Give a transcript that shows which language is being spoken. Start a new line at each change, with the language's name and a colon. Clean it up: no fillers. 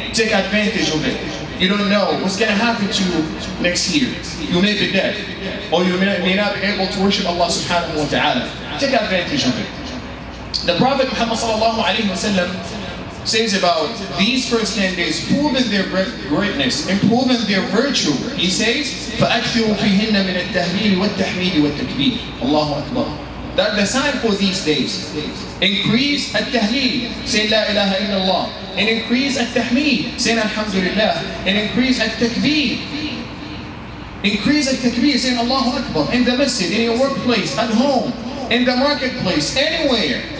English: Take advantage of it. You don't know what's going to happen to you next year. You may be dead, or you may not be able to worship Allah subhanahu wa ta'ala. Take advantage of it. The Prophet Muhammad sallallahu alayhi wa sallam says about these first 10 days, proven their greatness and proven their virtue. He says,
Arabic: فَأَكْثِرُوا فِيهِنَّ مِنَ التَّهْمِيلِ وَالتَّحْمِيلِ وَالتَّكْبِيرِ Allahu Akbar.
English: That the sign for these days, increase التَّهْلِيلِ, say
Arabic: لا إله إلا الله,
English: and increase التَّحْمِيلِ, say
Arabic: الحمد لله,
English: and increase التَّكْبِيرِ. Increase the takbir, saying Allahu Akbar, in the masjid, in your workplace, at home, in the marketplace, anywhere.